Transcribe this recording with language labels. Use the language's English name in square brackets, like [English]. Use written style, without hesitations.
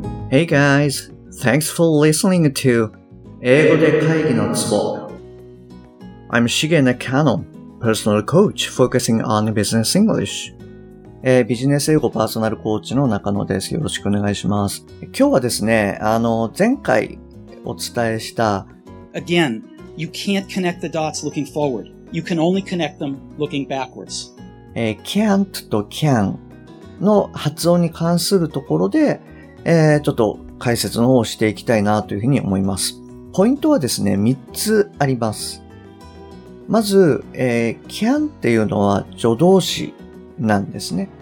[English] Hey guys, thanks for listening to 英語で会議のツボ。 I'm Shige Nakano, personal coach focusing on business English. [Japanese] ビジネス英語パーソナルコーチの中野です。よろしくお願いします。今日はですね、前回お伝えした [English] Again, you can't connect the dots looking forward. You can only connect them looking backwards. [Japanese] Can't と can の発音に関するところで、ちょっと解説の方をしていきたいなというふうに思います。ポイントはですね、3つあります。まず、can っていうのは助動詞なんですね。